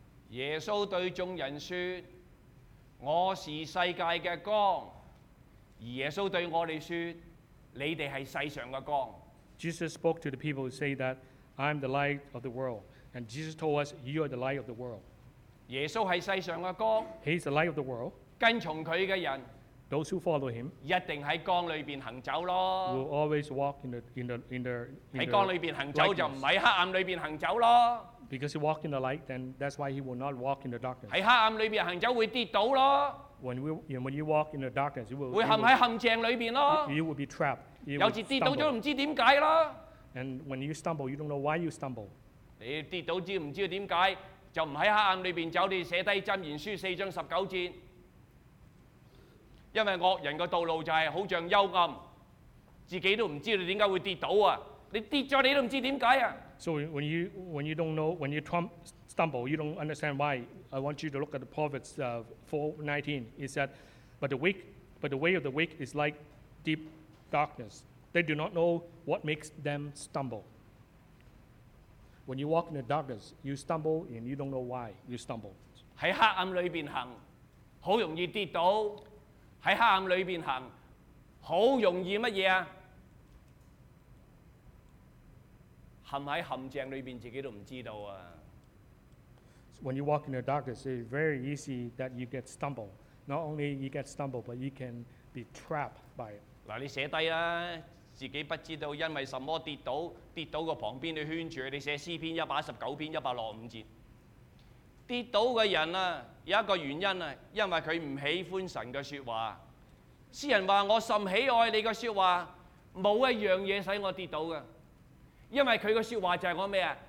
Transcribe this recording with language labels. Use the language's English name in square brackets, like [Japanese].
[Cantonese] 耶稣对众人说：我是世界嘅光。而耶稣对我哋说：你哋系世上嘅光。 [English] Jesus spoke to the people, say that I am the light of the world. And Jesus told us, "You are the light of the world." Jesus is [Cantonese] 世上嘅光。 [English] He is the light of the world. [Cantonese] 跟從佢嘅人 [English] ，those who follow him， [Cantonese] 一定喺光裏邊行走咯。 [English] Will always walk in the [Cantonese] 喺光裏邊行走就唔喺黑暗裏邊行走咯。 [English] Because he walk in the light, then that's why he will not walk in the darkness. [Cantonese] 喺黑暗裏邊行走會跌倒咯。 [English] When you walk in the darkness, you will [Cantonese] 會陷喺陷阱裏邊咯。 [English] You will be trapped. [Cantonese] You 有時跌倒咗唔知點解咯。 [English] And when you stumble, you don't know why you stumble. [Cantonese] 你跌倒知唔知點解？就唔喺黑暗裏邊走，你寫低《箴言書》四章十九節。因為惡人嘅道路就係好像幽暗，自己都唔知你點解會跌倒啊！你跌咗你都唔知點解啊 [English] ！So when you don't know when you stumble, you don't understand why. I want you to look at the Proverbs 4:19. It said, "But the way of the wicked is like deep darkness. They do not know what makes them stumble." When you walk in the darkness, you stumble and you don't know why you stumble. [Cantonese] 喺黑暗裏邊行，好容易跌倒。喺黑暗裏邊行，好容易乜嘢啊？陷喺陷阱裏邊，自己都唔知道啊。 [English] When you walk in the darkness, it's very easy that you get stumbled Not only he gets stumbled, but he can be trapped by it. [Cantonese] 嗱，你寫低啦，自己不知道因為什麼跌倒，跌倒個旁邊你圈住，你寫詩篇119篇165節。跌倒嘅人啊，有一個原因啊，因為佢唔喜歡神嘅説話。詩人話：我甚喜愛你嘅説話，冇一樣嘢使我跌倒嘅，因為佢嘅説話就係我咩啊？